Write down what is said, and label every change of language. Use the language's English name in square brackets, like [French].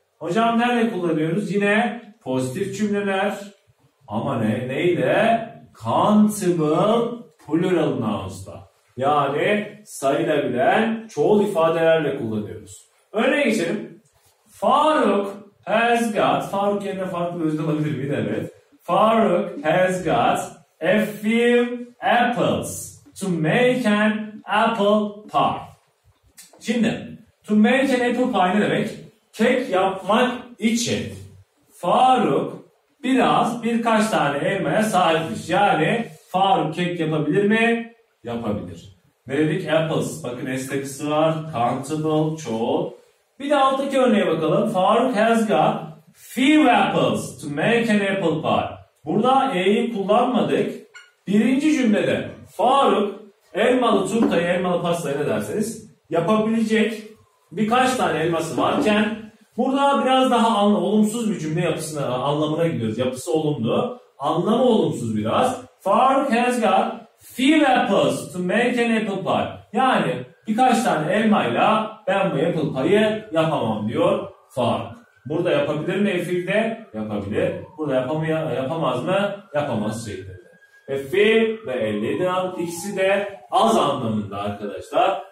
[Turkish] Hocam nerede kullanıyoruz? Yine pozitif cümleler. Ama neyle? Countable plural nouns'ta. Yani sayılabilen çoğul ifadelerle kullanıyoruz. Örneğin geçelim. [English] Faruk has got. [Turkish] Faruk yerine farklı bir özde olabilir mi? Evet. [English] Faruk has got a few apples to make an apple pie. [Turkish] Şimdi, [English] to make an apple pie [Turkish] ne demek? Kek yapmak için Faruk biraz birkaç tane elmaya sahipmiş. Yani Faruk kek yapabilir mi? Yapabilir. Ne dedik? Apples. Bakın estekisi var. Countable, çoğul. Bir de alttaki örneğe bakalım. [English] Faruk has got few apples to make an apple pie. [Turkish] Burada E'yi kullanmadık. Birinci cümlede Faruk elmalı turtayı, elmalı pastayı ne derseniz yapabilecek birkaç tane elması varken burada biraz daha olumsuz bir cümle yapısına, anlamına gidiyoruz. Yapısı olumlu. Anlamı olumsuz biraz. [English] Faruk has got few apples to make an apple pie. [Turkish] Yani birkaç tane elmayla ben bu apple pie'yi yapamam diyor Faruk. Burada yapabilir mi fiilde? Yapabilir. Burada yapamaz mı? Yapamaz şeklinde. Fiil ve eylemin ikisi de az anlamında arkadaşlar.